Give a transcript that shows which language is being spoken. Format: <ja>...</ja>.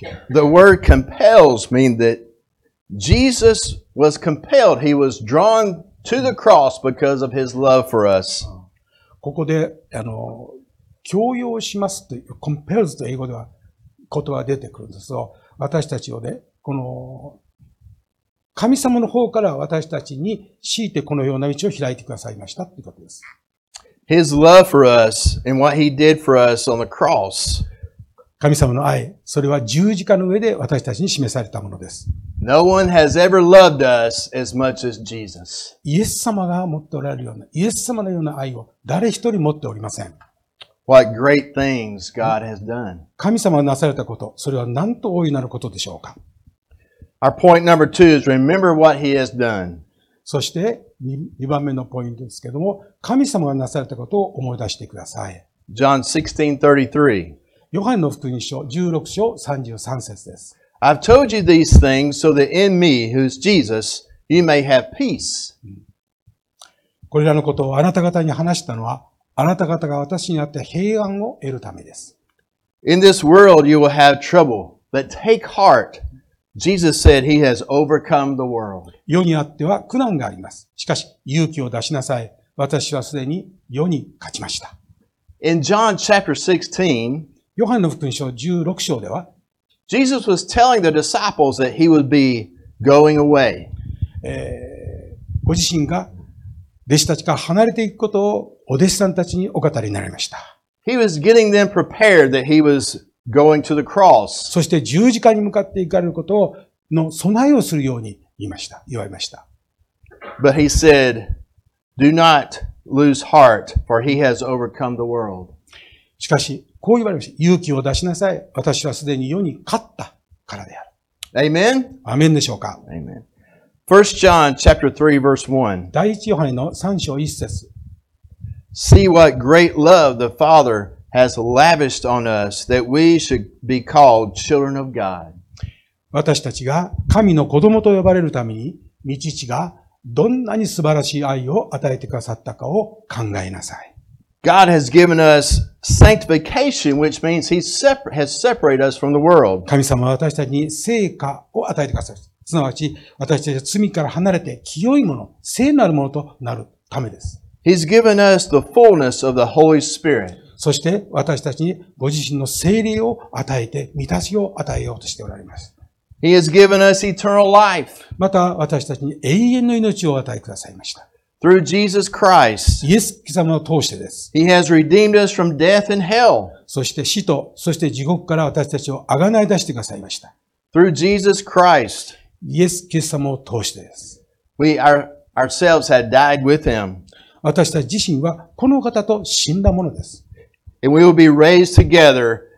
<en>The word compels means that Jesus was compelled. He was drawn to the cross because of his love for us.</en> <ja>ここで、強要しますという、compels という英語では言葉が出てくるんですが、私たちをね、この、神様の方から私たちに強いてこのような道を開いてくださいましたということです。</ja> <en>His love for us and what he did for us on the cross.</en> <ja>神様の愛、それは十字架の上で私たちに示されたものです。</ja> <en>No one has ever loved us as much as Jesus.</en> <ja>イエス様が持っておられるような、イエス様のような愛を誰一人持っておりません。</ja> <en>What great things God has done.</en> <ja>神様がなされたこと、それは何と大いなることでしょうか。</ja> <en>Our point number two is remember what he has done.</en> <ja>そして、二番目のポイントですけども、神様がなされたことを思い出してください。</ja> <en>John 16:33.</en> <ja>ヨハネの福音書16章33節です。</ja> <en>I've told you these things so that in me, who's Jesus, you may have peace.</en> <ja>これらのことをあなた方に話したのは、あなた方が私にあって平安を得るためです。</ja> <en>In this world you will have trouble, but take heart. Jesus said he has overcome the world.</en> <ja>世にあっては苦難があります。しかし勇気を出しなさい。私はすでに世に勝ちました。</ja> <en>In John chapter 16,</en> <ja>ヨハネの福音書16章では、</ja> <en>Jesus was telling the disciples that he would be going away.</en> <ja>ご自身が弟子たちから離れていくことをお弟子さんたちにお語りになりました。</ja> <en>He was getting them prepared that he was going to the cross.</en> <ja>そして十字架に向かって行かれることの備えをするように言われました。</ja> <en>But he said, "Do not lose heart, for he has overcome the world."</en> <ja>しかし、こう言われました。勇気を出しなさい。私はすでに世に勝ったからである。</ja> <en>Amen?</en> <ja>アメンでしょうか。</ja> <en>Amen. 1 John chapter 3 verse 1.</en> <ja>第1ヨハネの3章1節。</ja> <en>See what great love the Father has lavished on us that we should be called children of God.</en> <ja>私たちが神の子供と呼ばれるために、御父がどんなに素晴らしい愛を与えてくださったかを考えなさい。</ja> <en>God has given us sanctification, which means He has separated us from the world.</en> <ja>神様は私たちに聖化を与えてくださる。すなわち、私たちは罪から離れて清いもの、聖なるものとなるためです。</ja> <en>He's given us the fullness of the Holy Spirit.</en> <ja>そして私たちにご自身の聖霊を与えて満たしを与えようとしておられます。</ja> <en>He has given us eternal life.</en> <ja>また私たちに永遠の命を与えくださいました。</ja> <en>Through Jesus Christ.</en> <ja>イエス様を通してです。</ja> <en>He has redeemed us from death and hell.</en> <ja>そして死と、そして地獄から私たちを贖い出してくださいました。</ja> <en>Through Jesus Christ.</en> <ja>イエス様を通してです。</ja> <en>We ourselves had died with him.</en> <ja>私たち自身はこの方と死んだものです。</ja> <en>And we will be raised together.</en>